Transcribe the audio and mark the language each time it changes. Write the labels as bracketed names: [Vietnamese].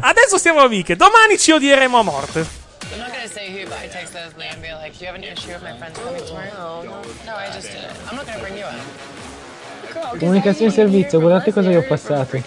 [Italian] Adesso siamo amiche, domani ci odieremo a morte. [English] I'm not gonna say who, but I text Leslie and be like, do you have an issue with my friends coming tomorrow? No, I just did it. I'm not gonna bring you up. [Italian] Comunicazione in servizio, guardate cosa gli ho passato.